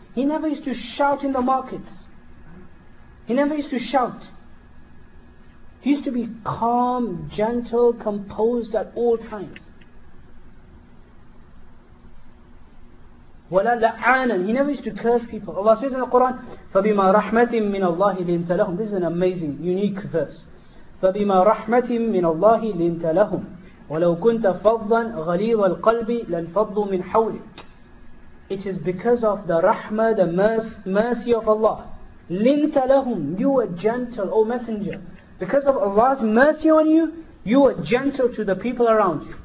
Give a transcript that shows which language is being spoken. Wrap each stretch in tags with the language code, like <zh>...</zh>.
<en>He never used to shout in the markets. He never used to shout. He used to be calm, gentle, composed at all times.</en> <ar>وَلَا لَعَانًا.</ar> <en>He never used to curse people. Allah says in the Quran,</en> <ar>فَبِمَا رَحْمَةٍ مِّنَ اللَّهِ لِنْتَ لَهُمْ.</ar> <en>This is an amazing, unique verse.</en> <ar>فَبِمَا رَحْمَةٍ مِّنَ اللَّهِ لِنْتَ لَهُمْ وَلَوْ كُنْتَ فَضًّا غَلِيظَ الْقَلْبِ لَنْفَضُّوا مِنْ حَوْلِكَ.</ar> <en>It is because of the rahmah, the mercy of Allah.</en> <ar>لِنْتَ لَهُمْ.</ar> <en>You are gentle, O Messenger. Because of Allah's mercy on you, you are gentle to the people around you.</en>